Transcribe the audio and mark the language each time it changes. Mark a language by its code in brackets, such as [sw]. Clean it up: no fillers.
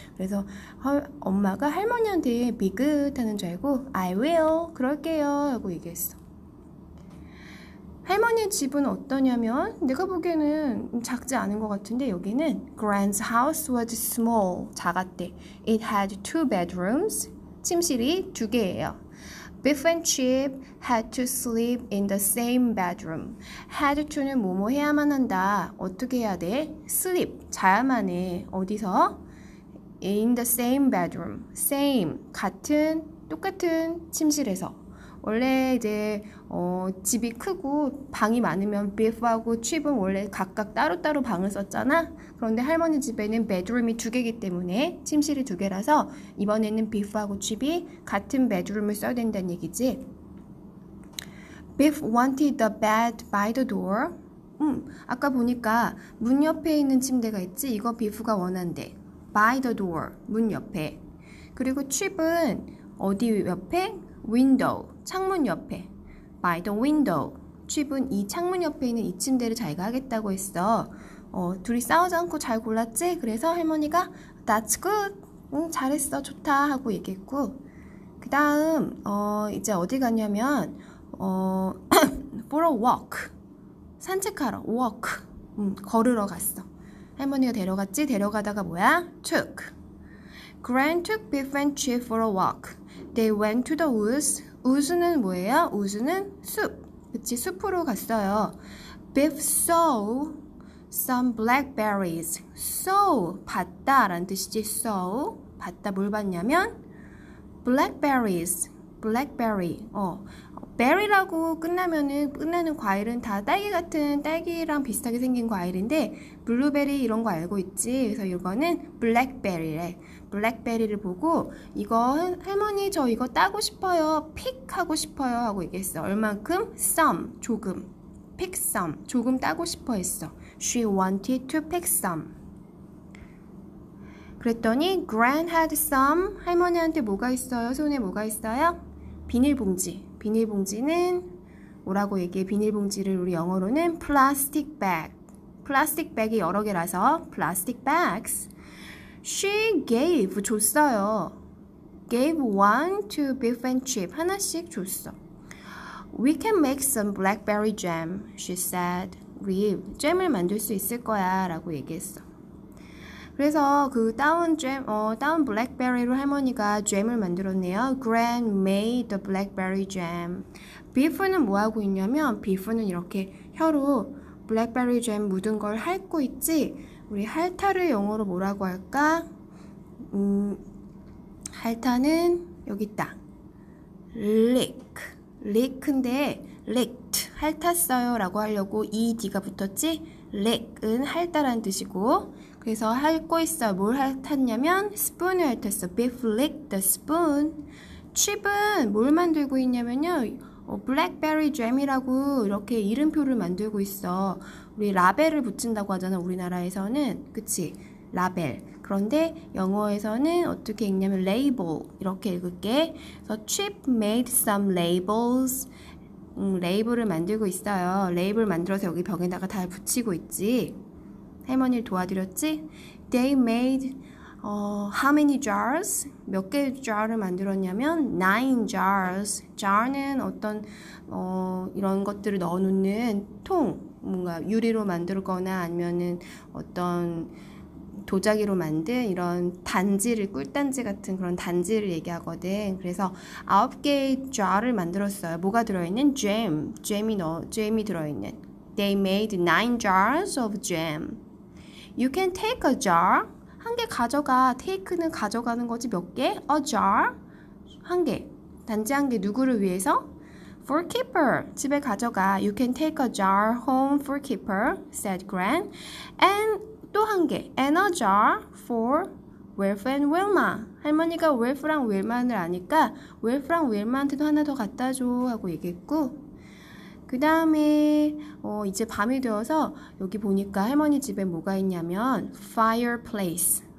[ko] 그래서 엄마가 할머니한테 be good 하는 줄 알고, [en] I will, [ko] 그럴게요. 하고 얘기했어. 할머니 집은 어떠냐면 내가 보기에는 작지 않은 것 같은데 여기는 [en] Gran's house was small [ko] 작았대. [en] It had two bedrooms [ko] 침실이 두 개예요. [en] Biff and Chip had to sleep in the same bedroom. [ko] Had to는 뭐뭐 해야만 한다. 어떻게 해야 돼? Sleep 자야만 해. 어디서? [en] In the same bedroom. [ko] Same 같은 똑같은 침실에서. 원래 이제 집이 크고 방이 많으면 비프하고 칩은 원래 각각 따로따로 방을 썼잖아. 그런데 할머니 집에는 베드룸이 두 개이기 때문에 침실이 두 개라서 이번에는 비프하고 칩이 같은 베드룸을 써야 된다는 얘기지. [en] Biff wanted the bed by the door. [ko] 아까 보니까 문 옆에 있는 침대가 있지. 이거 비프가 원한대. By the door, 문 옆에. 그리고 칩은 어디 옆에? Window, 창문 옆에. [en] By the window. [ko] 칩은 이 창문 옆에 있는 이 침대를 자기가 하겠다고 했어. 둘이 싸우지 않고 잘 골랐지? 그래서 할머니가 [en] That's good. [ko] 잘했어. 좋다. 하고 얘기했고. 그 다음, 이제 어디 갔냐면, for a walk. 산책하러, walk. 걸으러 갔어. 할머니가 데려갔지? 데려가다가 뭐야? Took. [en] Gran took Biff and Chip for a walk. They went to the woods. Woods는 [ko] 뭐예요? [en] Woods는 숲. [ko] 그치, 숲으로 갔어요. [en] Biff saw some blackberries. [ko] Saw, 봤다라는 뜻이지. Saw, 봤다. 뭘 봤냐면? Blackberries. Blackberry. Berry라고 끝나는 과일은 다 딸기 같은, 딸기랑 비슷하게 생긴 과일인데, 블루베리 이런 거 알고 있지. 그래서 이거는 블랙베리래. 블랙베리를 보고, 이거 할머니 저 이거 따고 싶어요. pick 하고 싶어요. 하고 얘기했어. 얼만큼? some. 조금. pick some. 조금 따고 싶어 했어. [en] She wanted to pick some. [ko] 그랬더니, [en] Gran had some. [ko] 할머니한테 뭐가 있어요? 손에 뭐가 있어요? 비닐봉지. 비닐봉지는 뭐라고 얘기해? 비닐봉지를 우리 영어로는 plastic bag. 플라스틱 백이 여러 개라서 플라스틱 백스. [en] She gave [ko] 줬어요. [en] Gave one to Biff and Chip [ko] 하나씩 줬어. [en] We can make some blackberry jam, she said. [ko] 우리 잼을 만들 수 있을 거야라고 얘기했어. 그래서 그 다운 잼, 다운 블랙베리로 할머니가 잼을 만들었네요. [en] Gran made the blackberry jam. [ko] Biff는 뭐 하고 있냐면 Biff는 이렇게 혀로 블랙베리 잼 묻은 걸 핥고 있지? 우리 핥아를 영어로 뭐라고 할까? 핥아는 여기 있다. lick. lick인데, licked. 핥았어요 라고 하려고 ed가 붙었지? lick은 핥다라는 뜻이고. 그래서 핥고 있어. 뭘 핥았냐면, spoon을 핥았어. [en] Biff licked the spoon. [ko] chip은 뭘 만들고 있냐면요. 블랙베리 잼이라고 이렇게 이름표를 만들고 있어. 우리 라벨을 붙인다고 하잖아, 우리나라에서는. 그치? 라벨. 그런데 영어에서는 어떻게 읽냐면 label 이렇게 읽을게. 그래서 [en] Chip made some labels. [ko] 레이블을 만들고 있어요. 레이블 만들어서 여기 벽에다가 다 붙이고 있지. 할머니를 도와드렸지? [en] They made how many jars? [ko] 몇 개의 jar를 만들었냐면 9 jars. jar는 어떤 이런 것들을 넣어놓는 통, 뭔가 유리로 만들거나 아니면은 어떤 도자기로 만든 이런 단지를, 꿀단지 같은 그런 단지를 얘기하거든. 그래서 9개의 jar를 만들었어요. 뭐가 들어있는? [en] jam. [ko] jam이 들어있는. [en] They made 9 jars of jam. You can take a jar. [ko] 한 개 가져가. take는 가져가는 거지. 몇 개? a jar. 한 개. 단지 한 개. 누구를 위해서? [en] For keeper. [ko] 집에 가져가. [en] You can take a jar home for keeper, said Gran. And [ko] 또 한 개. [en] And a jar for Wilf and Wilma. [ko] 할머니가 Wilf랑 Wilma를 아니까 Wilf랑 Wilma한테도 하나 더 갖다줘 하고 얘기했고, 그 다음에 이제 밤이 되어서 여기 보니까 할머니 집에 뭐가 있냐면 fireplace.